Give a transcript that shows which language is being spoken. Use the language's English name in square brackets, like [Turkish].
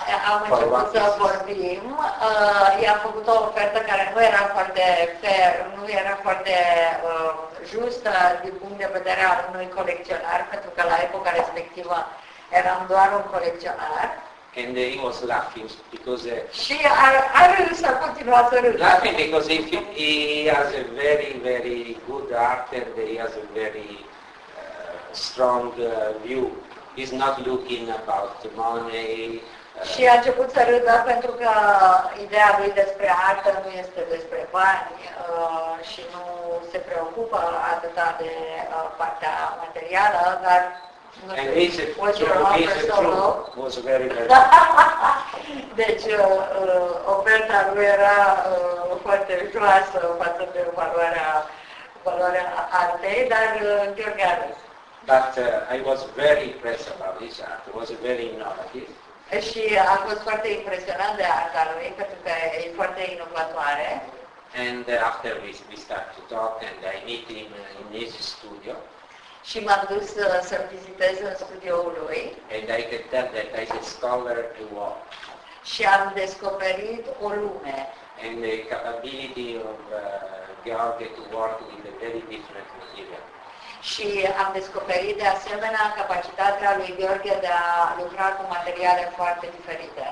[Romanian] Am început să vorbim, i-am făcut o ofertă care nu era foarte fair, nu era foarte justă din punct de vedere al unui colecționar, pentru că la epoca respectivă eram doar un colecționar. [English] And he was laughing because she laughing because he has a very very good art and he has a very strong view. He's not looking about the money. [Romanian] Și a început să râdă pentru că ideea lui despre artă nu este despre bani și nu se preocupă atât de partea materială, dar [English] And his crew was very, very [Romanian] deci, oferta lui era foarte joasă față de valoarea artei, dar George Harris. [English] But I was very impressed about his art. It was very innovative. [Romanian] Și a fost foarte impresionat de arta lui, pentru că e foarte inovatoare. [English] And after we start to talk, and I meet him in his studio. [Romanian] Și m-am dus să-l vizitez în studioul lui. [English] And I can tell that he's a scholar to watch. [Romanian] Și am descoperit o lume. [English] And the capability of George to work with a very different material. [Romanian] Și am descoperit de asemenea capacitatea lui George de a lucra cu materiale foarte diferite.